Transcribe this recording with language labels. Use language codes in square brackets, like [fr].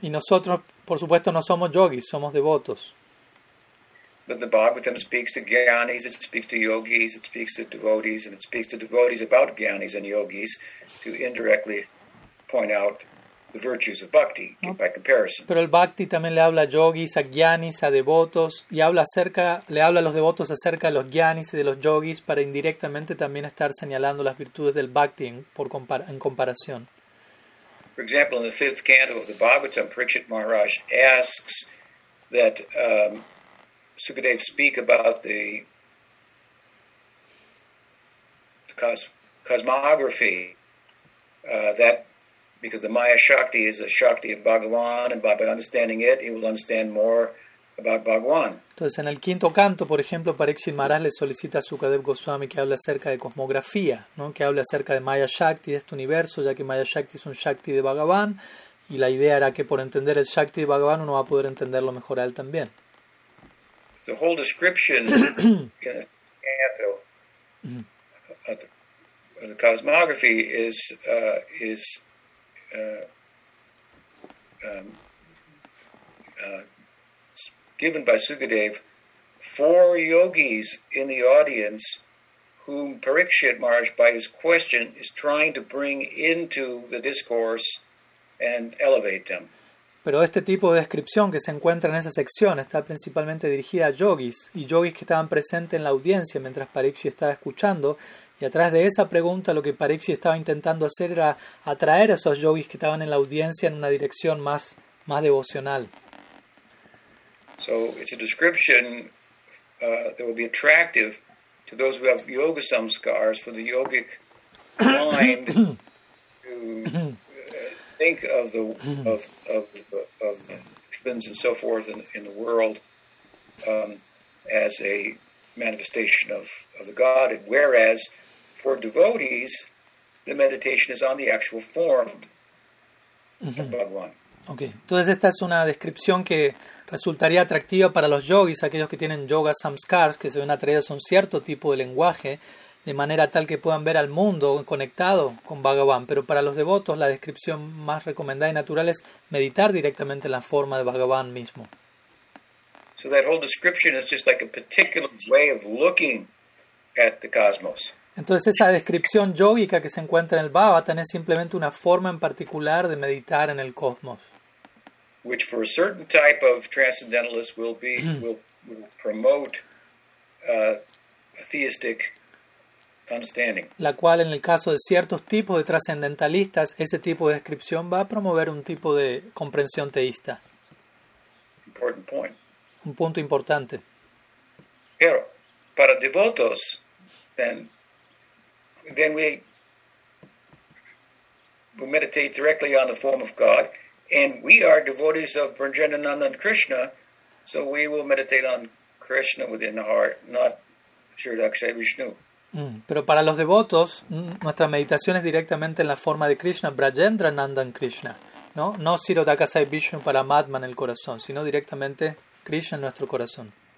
[es] Y nosotros, por supuesto, no somos yogis, somos devotos. [en] But the Bhagavatam speaks to jnanis, it speaks to yogis, it speaks to devotees, and it speaks to devotees about jnanis and yogis to indirectly point out the virtues of bhakti, no, by comparison. [es] Pero el bhakti también le habla a yogis, a jnanis, a devotos, y le habla a los devotos acerca de los jnanis y de los yogis para indirectamente también estar señalando las virtudes del bhakti en comparación. [en] For example, in the fifth canto of the Bhagavatam, Parikshit Maharaj asks that Sukadev speak about the cosmography that because the Maya Shakti is a Shakti of Bhagavan, and by understanding it, he will understand more about Bhagavan. [es] Entonces, en el quinto canto, por ejemplo, Parikshit Maharaj le solicita a Sukadev Goswami que hable acerca de cosmografía, ¿no? Que hable acerca de Maya Shakti, de este universo, ya que Maya Shakti es un Shakti de Bhagavan, y la idea era que por entender el Shakti de Bhagavan uno va a poder entenderlo mejor a él también. [en] The whole description in the canto of the cosmography is given by Sukadev for yogis in the audience whom Parikshit Maharaj, by his question, is trying to bring into the discourse and elevate them. [es] Pero este tipo de descripción que se encuentra en esa sección está principalmente dirigida a yogis y yogis que estaban presentes en la audiencia mientras Parikshit estaba escuchando. Y atrás de esa pregunta, lo que Parikshit estaba intentando hacer era atraer a esos yogis que estaban en la audiencia en una dirección más devocional. [en] So it's a description that will be attractive to those who have yoga samskaras for the yogic mind to think of the of humans and so forth in the world as a manifestation of the God. Whereas for devotees, the meditation is on the actual form of Bhagavan. [es] Okay, entonces esta es una descripción que resultaría atractiva para los yogis, aquellos que tienen yoga samskars, que se ven atraídos a un cierto tipo de lenguaje, de manera tal que puedan ver al mundo conectado con Bhagavan. Pero para los devotos, la descripción más recomendada y natural es meditar directamente en la forma de Bhagavan mismo. [en] So that whole description is just like a particular way of looking at the cosmos. [es] Entonces esa descripción yógica que se encuentra en el Bhagavatam es simplemente una forma en particular de meditar en el cosmos. [en] Which for a certain type of transcendentalist will promote a theistic understanding. [es] La cual en el caso de ciertos tipos de trascendentalistas, ese tipo de descripción va a promover un tipo de comprensión teísta. [en] Important point. [es] Un punto importante. Pero para devotos, [en] then we meditate directly on the form of God. And we are devotees of Brajendranandan and Krishna, so we will meditate on Krishna within the heart, not Shirdakshay Vishnu. [es] Pero para los devotos, nuestra meditación es directamente en la forma de Krishna, Brajendranandan Krishna, ¿no? No Shirdakshay Vishnu para Madman el corazón, sino directamente Krishna en nuestro corazón.